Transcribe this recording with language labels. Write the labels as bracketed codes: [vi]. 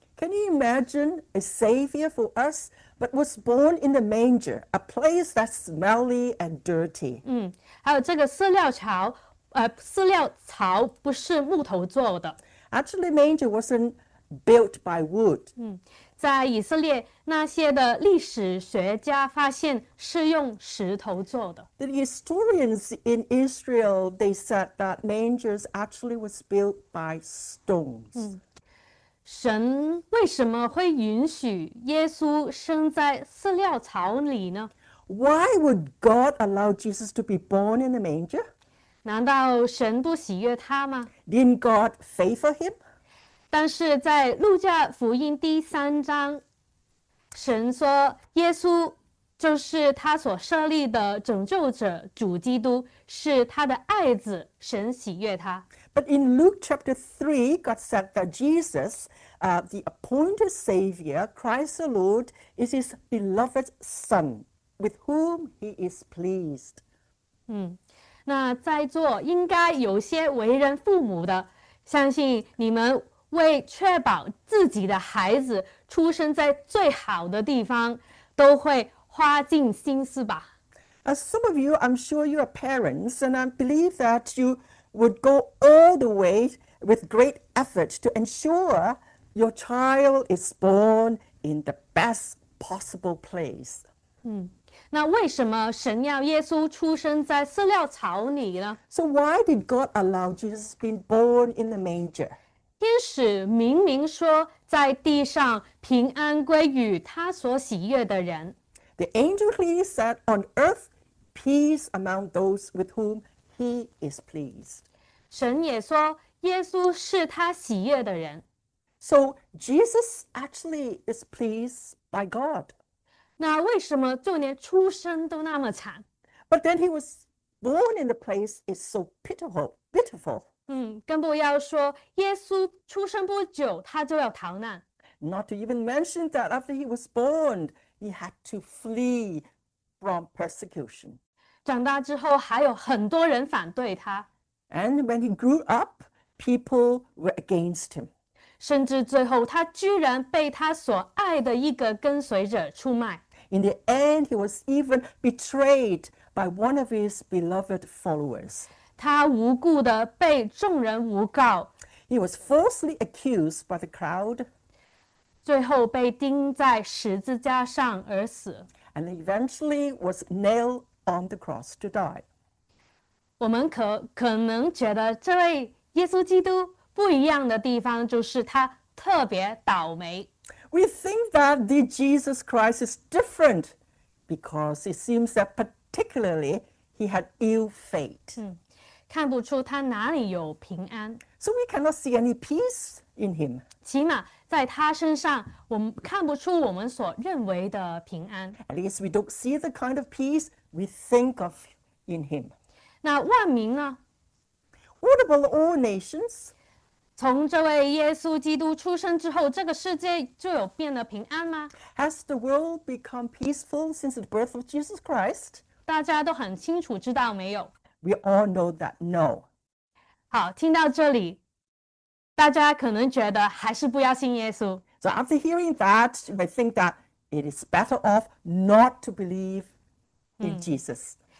[en] Can you imagine a savior for us, but was born in the manger, a place that's smelly and dirty? [zh] 还有这个饲料槽不是木头做的。 [en] Actually, manger wasn't built by wood. [zh] 在以色列那些的历史学家发现是用石头做的。 [en] The historians in Israel, they said that mangers actually was built by stones. [zh] 神为什么会允许耶稣生在饲料槽里呢？ [en] Why would God allow Jesus to be born in a manger? [zh] 难道神不喜悦他吗？ [en] Didn't God favor him? [zh] 但是在路加福音第三章，神说耶稣就是他所设立的拯救者主基督，是他的爱子，神喜悦他。 [en] But in Luke chapter 3, God said that Jesus, the appointed Savior, Christ the Lord, is his beloved Son, with whom he is pleased. [zh] 那在座应该有些为人父母的，相信你们。为确保自己的孩子出生在最好的地方，都会花尽心思吧。 [en] As some of you, I'm sure you are parents, and I believe that you would go all the way with great effort to ensure your child is born in the best possible place. [zh] 那为什么神要耶稣出生在饲料槽里呢？ [en] So why did God allow Jesus to be born in the manger? [zh] 天使明明说，在地上平安归于他所喜悦的人。 [en] The angel clearly said, "On earth, peace among those with whom he is pleased." [zh] 神也说，耶稣是他喜悦的人。 [en] So Jesus actually is pleased by God. [zh] 那为什么就连出生都那么惨？ [en] But then he was born in the place is so pitiful, pitiful. [zh] 更不要说耶稣出生不久，他就要逃难。 [en] Not to even mention that after he was born, he had to flee from persecution. [zh] 长大之后，还有很多人反对他， [en] And when he grew up, people were against him. [zh] 甚至最后，他居然被他所爱的一个跟随者出卖。 [en] In the end, he was even betrayed by one of his beloved followers. [zh] 他无故的被众人诬告， [en] He was falsely accused by the crowd. [zh] 最后被钉在十字架上而死。 [en] And eventually was nailed on the cross to die. [zh] 我们可能觉得这位耶稣基督不一样的地方，就是他特别倒霉。 [en] We think that the Jesus Christ is different because it seems that particularly he had ill fate. [zh] 看不出他哪里有平安， [en] So we cannot see any peace in him. [zh] 起码在他身上，我们看不出我们所认为的平安。 [en] At least we don't see the kind of peace we think of in him. [zh] 那万民呢？ [en] What about all nations? [zh] 从这位耶稣基督出生之后，这个世界就有变得平安吗？ [en] Has the world become peaceful since the birth of Jesus Christ? [zh] 大家都很清楚知道没有？ [en] We all know that no. [zh] 好，听到这里，大家可能觉得还是不要信耶稣。 [en] So after hearing that, you might think that it is better off not to believe in Jesus.